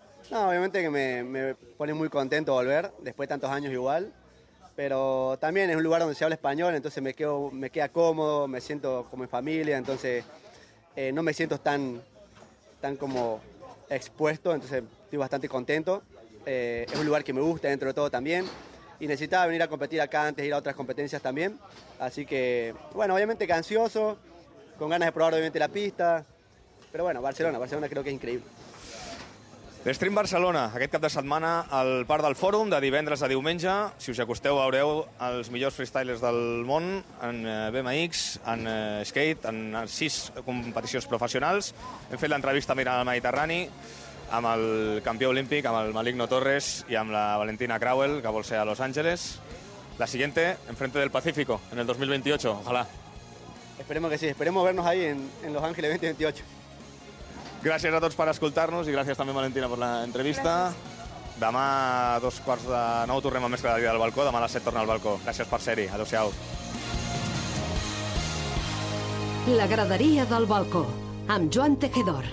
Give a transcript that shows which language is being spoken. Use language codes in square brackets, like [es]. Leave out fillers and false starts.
[es] No, obviamente que me pone muy contento volver, después de tantos años igual, pero también es un lugar donde se habla español, entonces me queda cómodo, me siento como en familia, entonces no me siento tan como expuesto, entonces... Estoy bastante contento, es un lugar que me gusta dentro de todo también y necesitaba venir a competir acá antes, ir a otras competencias también. Así que, bueno, obviamente que ansioso, con ganas de probar obviamente la pista, pero bueno, Barcelona creo que es increíble. [ca] L'Extrem Barcelona, aquest cap de setmana al Parc del Fòrum, de divendres a diumenge. Si us acosteu, veureu els millors freestylers del món en BMX, en skate, en 6 competicions professionals. Hem fet l'entrevista mirant el Mediterrani, amb el campió olímpic, amb el Maligno Torres i amb la Valentina Crowell, que vol ser a Los Angeles. [es] La siguiente, enfrente del Pacífico, en el 2028, ojalá. Esperemos que sí, esperemos vernos ahí en Los Angeles 2028. [ca] Gràcies a tots per escoltar-nos i gràcies també, Valentina, per l'entrevista. Demà a 8:15 tornem a Mestre de la Vida al balcó, demà a les 7 torna al balcó. Gràcies per ser-hi, adeu-siau. La graderia del balcó, amb Joan Tejedor.